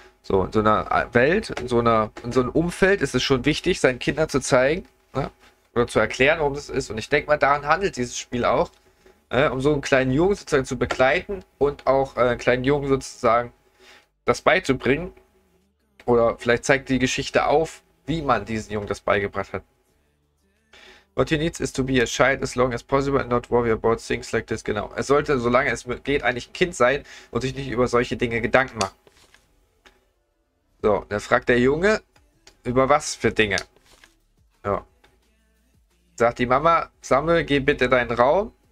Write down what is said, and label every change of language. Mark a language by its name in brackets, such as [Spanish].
[German] So, in so einer Welt, in so einem Umfeld ist es schon wichtig, seinen Kindern zu zeigen, ne? Oder zu erklären, worum es ist. Und ich denke mal, daran handelt dieses Spiel auch, um so einen kleinen Jungen sozusagen zu begleiten und auch einen kleinen Jungen sozusagen das beizubringen. Oder vielleicht zeigt die Geschichte auf, wie man diesen Jungen das beigebracht hat. [English] What he needs is to be a child as long as possible and not worry about things like this. [German] Genau. Er sollte, solange es geht, eigentlich ein Kind sein und sich nicht über solche Dinge Gedanken machen. So, dann fragt der Junge, über was für Dinge? Ja. Sagt die Mama, Samuel, geh bitte in deinen Raum.